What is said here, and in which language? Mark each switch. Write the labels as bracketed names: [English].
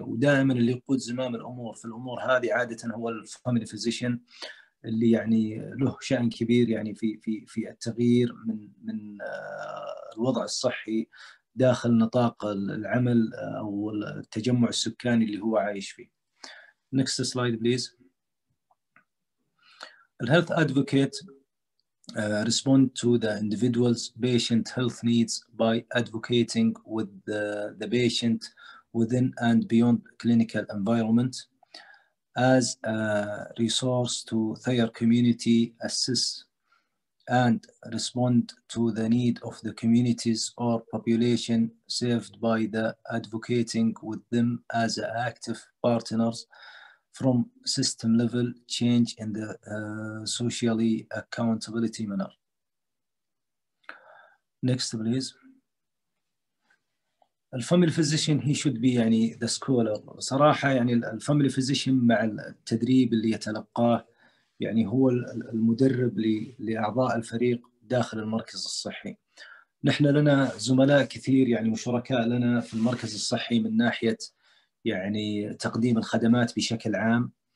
[Arabic] ودائما اللي يقود زمام الأمور في الأمور هذه عادة هو الفاميلي فيزيشن اللي يعني له شأن كبير يعني في التغيير من الوضع الصحي داخل نطاق العمل أو التجمع السكاني اللي هو عايش فيه. [English] Next slide please. The health advocate respond to the individual's patient health needs by advocating with the patient within and beyond clinical environment as a resource to their community, assist and respond to the need of the communities or population served by the advocating with them as active partners from system level change in the socially accountability manner. Next please. [Arabic] الفاميلي فيزيشن [English] هي should be [Arabic] يعني [English] The scholar. [Arabic] صراحه يعني الفاميلي فيزيشن مع التدريب اللي يتلقاه يعني هو المدرب لاعضاء الفريق داخل المركز الصحي. نحن لنا زملاء كثير يعني وشركاء لنا في المركز الصحي من ناحيه يعني تقديم الخدمات بشكل عام.